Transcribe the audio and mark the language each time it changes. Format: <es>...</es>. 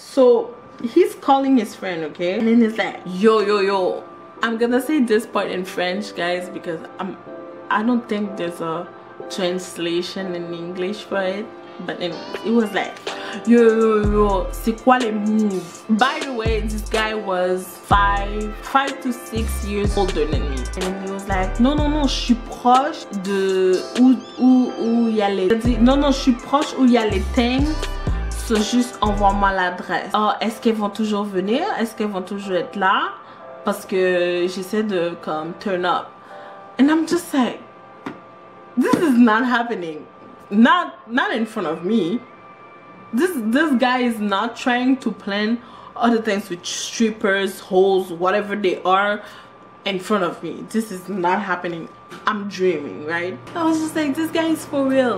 <en>So he's calling his friend, okay? And then he's like, yo, I'm gonna say this part in French, guys, because I don't think there's a translation in English for it. But anyway, it was like, yo,</en> <fr>c'est quoi les moves?</fr> <en>By the way, this guy was five to 6 years older than me. And he was like,</en> <fr>non, je suis proche de où y a les... Non, je suis proche où y a les things. So juste envoie-moi l'adresse. Oh, est-ce qu'elles vont toujours venir? Est-ce qu'elles vont toujours être là? Parce que j'essaie de comme</fr> <en>turn up. And I'm just like, this is not happening. Not in front of me. This guy is not trying to plan other things with strippers, hoes, whatever they are in front of me. This is not happening. I'm dreaming, right? I was just like, this guy is for real.</en>